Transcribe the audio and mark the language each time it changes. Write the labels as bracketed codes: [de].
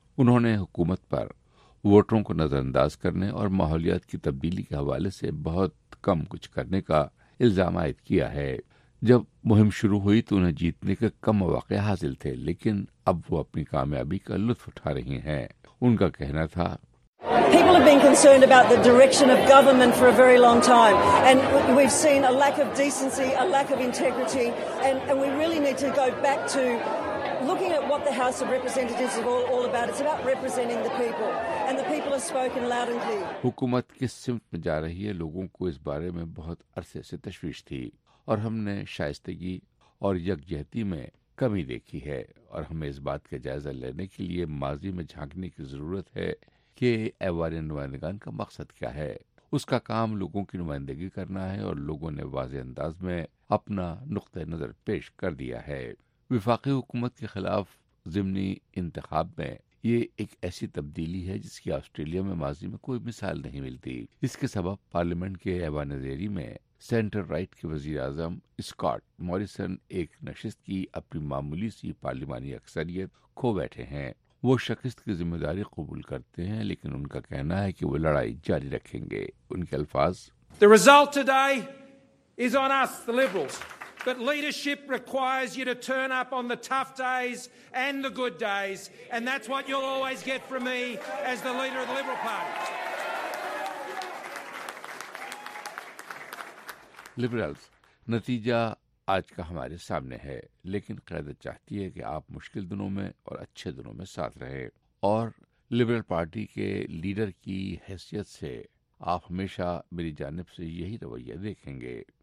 [ur] انہوں نے حکومت پر ووٹروں کو نظر انداز کرنے اور ماحولیات کی تبدیلی کے حوالے سے بہت کم کچھ کرنے کا الزام عائد کیا ہے. جب مہم شروع ہوئی تو انہیں جیتنے کے کم مواقع حاصل تھے, لیکن اب وہ اپنی کامیابی کا لطف اٹھا رہی ہیں. ان کا کہنا تھا, [en] People have been concerned about the direction of government for a very long time, and we've seen a lack of decency, a lack of integrity, and we really need to go back to looking at what the House of Representatives is all about. It's about representing the people, and the people have spoken loud and clear. [ur] حکومت کس سمت میں جا رہی ہے, لوگوں کو اس بارے میں بہت عرصے سے تشویش تھی اور ہم نے شائستگی اور یکجہتی میں کمی دیکھی ہے, اور ہمیں اس بات کا جائزہ لینے کے لیے ماضی میں جھانکنے کی ضرورت ہے کہ ایوارے نمائندگان کا مقصد کیا ہے. اس کا کام لوگوں کی نمائندگی کرنا ہے, اور لوگوں نے واضح انداز میں اپنا نقطہ نظر پیش کر دیا ہے. وفاقی حکومت کے خلاف ضمنی انتخاب میں یہ ایک ایسی تبدیلی ہے جس کی آسٹریلیا میں ماضی میں کوئی مثال نہیں ملتی. اس کے سبب پارلیمنٹ کے ایوان زیری میں سینٹر رائٹ کے وزیر اعظم اسکاٹ موریسن ایک نشست کی اپنی معمولی سی پارلیمانی اکثریت کھو بیٹھے ہیں. وہ شکست کی ذمہ داری قبول کرتے ہیں, لیکن ان کا کہنا ہے کہ وہ لڑائی جاری رکھیں گے. ان کے الفاظ, [en] The result today is on us, the Liberals. But leadership requires you to turn up on the tough days and the good days, and that's what you'll always get from me as the leader of the Liberal Party. [ur] Liberals, نتیجہ آج کا ہمارے سامنے ہے, لیکن قیادت چاہتی ہے کہ آپ مشکل دنوں میں اور اچھے دنوں میں ساتھ رہے, اور لبرل پارٹی کے لیڈر کی حیثیت سے آپ ہمیشہ میری جانب سے یہی رویہ دیکھیں گے.